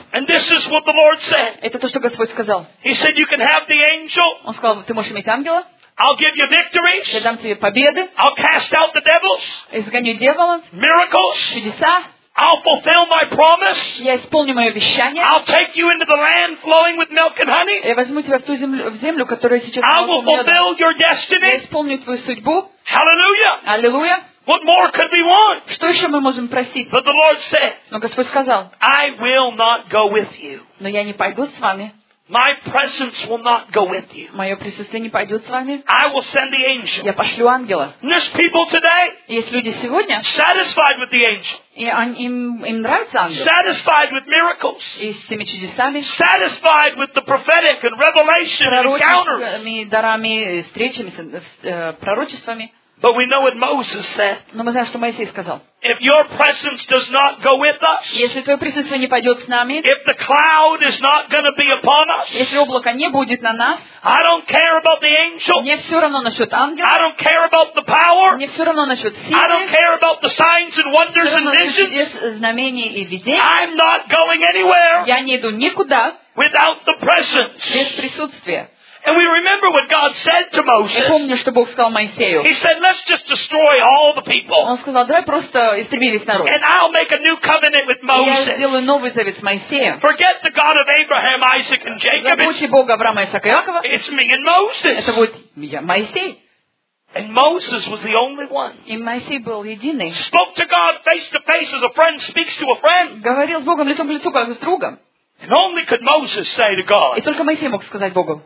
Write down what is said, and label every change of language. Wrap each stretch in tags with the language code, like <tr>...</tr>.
<en>And this is what the Lord said. He said, you can have the angel. I'll give you victories. I'll cast out the devils. Miracles. I'll fulfill my promise.</en> <ru>Я исполню моё обещание.</ru> <en>I'll take you into the land flowing with milk and honey.</en> <ru>Я возьму тебя в ту землю, которая сейчас полна меда.</ru> <en>I will fulfill your destiny.</en> <ru>Я исполню твою судьбу.</ru> <en>Hallelujah.</en> <ru>Аллилуйя.</ru> <en>What more could we want?</en> <ru>Что ещё мы можем просить?</ru> <en>But the Lord said.</en> <ru>Но Господь сказал.</ru> <en>I will not go with you.</en> <ru>Но я не пойду с вами.</ru> <en>My presence will not go with you.</en> <ru>Моё присутствие не пойдёт с вами.</ru> <en>I will send the angel.</en> <ru>Я пошлю ангела.</ru> <en>There's people today.</en> <ru>Есть люди сегодня.</ru> <en>Satisfied with the angel.</en> <ru>Им нравится ангел.</ru> <en>Satisfied with miracles.</en> <ru>И с теми чудесами.</ru> <en>Satisfied with the prophetic and revelation encounters.</en> <ru>Пророческими дарами, встречами, пророчествами.</ru> <en>But we know what Moses said.</en> <ru>Но мы знаем, что Моисей сказал.</ru> <en>If your presence does not go with us,</en> <ru>если твое присутствие не пойдет с нами,</ru> <en>if the cloud is not going to be upon us,</en> <ru>если облако не будет на нас,</ru> <en>I don't care about the angel.</en> <ru>Мне все равно насчет ангела.</ru> <en>I don't care about the power.</en> <ru>Мне все равно насчет силы.</ru> <en>I don't care about the signs and wonders and visions.</en> <ru>Знамения и видения.</ru> <en>I'm not going anywhere.</en> <ru>Я не иду никуда.</ru> <en>Without the presence.</en> <ru>Без присутствия.</ru> <en>And we remember what God said to Moses.</en> <ru>Я помню, что Бог сказал Моисею.</ru> <en>He said, "Let's just destroy all the people."</en> <ru>Он сказал, давай просто истреби весь народ.</ru> <en>And I'll make a new covenant with Moses.</en> <ru>Я сделаю новый завет с Моисеем.</ru> <en>Forget the God of Abraham, Isaac, and Jacob.</en> <ru>Забудьте Бога Авраама, Исаака, Иакова.</ru> <en>It's me and Moses.</en> <ru>Это будет Моисей.</ru> <en>And Moses was the only one.</en> <ru>И Моисей был единый.</ru> <en>Spoke to God face to face as a friend speaks to a friend.</en> <ru>Говорил с Богом лицом к лицу, как с другом.</ru> <en>And only could Moses say to God,</en> <ru>и только Моисей мог сказать Богу,</ru>